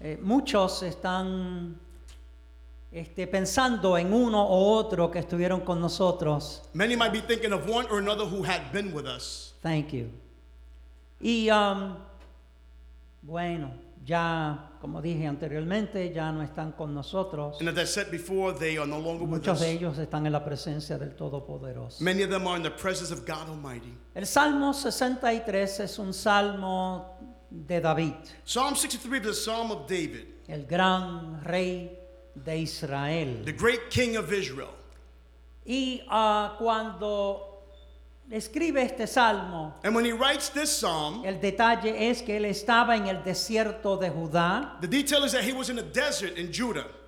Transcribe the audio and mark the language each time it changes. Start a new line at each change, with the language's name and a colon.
Spanish: muchos están pensando en uno o otro que estuvieron con nosotros.
English: Many might be thinking of one or another who had been with us. Thank you.
Spanish: Y bueno, ya como dije anteriormente, ya no están con nosotros.
English: And as I said before, they are no longer
Spanish: muchos Muchos de ellos están en la presencia del Todopoderoso.
English: Many of them are in the presence of God Almighty.
Spanish: El Salmo 63 es un Salmo de David.
English: Psalm 63 is a Psalm of David.
Spanish: El gran rey de Israel.
English: The great king of Israel.
Spanish: Y cuando escribe este salmo.
English: And when he writes this psalm,
Spanish: el detalle es que él estaba en el desierto de Judá.
English: The detail is that he was in a desert in Judah.